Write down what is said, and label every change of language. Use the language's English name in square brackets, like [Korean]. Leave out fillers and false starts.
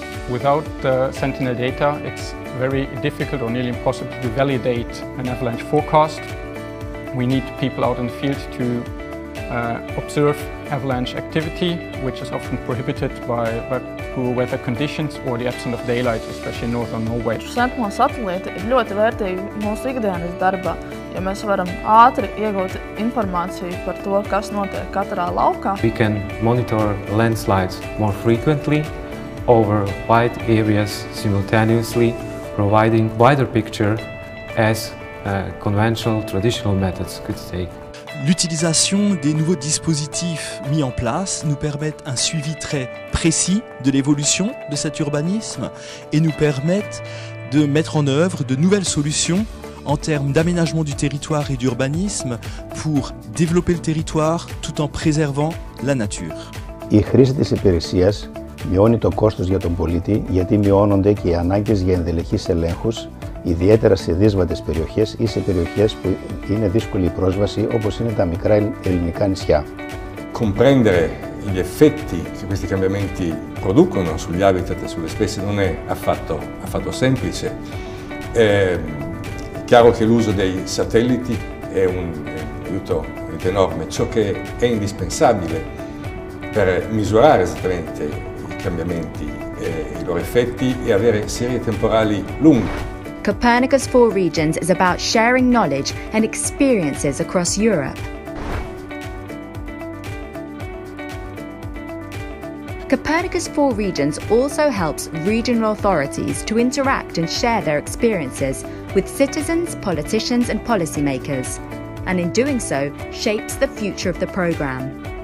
[English] Without Sentinel data, it's very difficult or nearly impossible to validate an avalanche forecast. We need people out in the field to observe avalanche activity, which is often prohibited by poor weather conditions or the absence of daylight, especially in northern Norway. [Latvian] Sentinel satellite ir ļoti vērtīgi mūsu ikdienas darba, ja mēs varam ātri iegūt informāciju par to, kas notiek katrā laukā. [English] We can monitor landslides more frequently over wide areas simultaneously, providing wider picture as conventional traditional methods could say. [French] L'utilisation des nouveaux dispositifs mis en place nous permet un suivi très précis de l'évolution de cet urbanisme et nous permet de mettre en œuvre de nouvelles solutions en termes d'aménagement du territoire et d'urbanisme pour développer le territoire tout en préservant la nature. [Greek] Οι χρήσεις της υπηρεσίας μειώνει το κόστος για τον πολίτη γιατί μειώνονται και οι ανάγκες για ενδελεχείς ελέγχους ιδιαίτερα σε δύσβατες περιοχές ή σε περιοχές που είναι δύσκολη η πρόσβαση, όπως είναι τα μικρά ελληνικά νησιά. [Italian] Comprendere gli effetti che questi cambiamenti producono sugli habitat e sulle specie non è affatto semplice. È chiaro che l'uso dei satelliti è un aiuto enorme. Ciò che è indispensabile per misurare esattamente i cambiamenti e i loro effetti è avere serie temporali lunghe. [English] Copernicus for Regions is about sharing knowledge and experiences across Europe. Copernicus for Regions also helps regional authorities to interact and share their experiences with citizens, politicians and policymakers, and in doing so, shapes the future of the programme.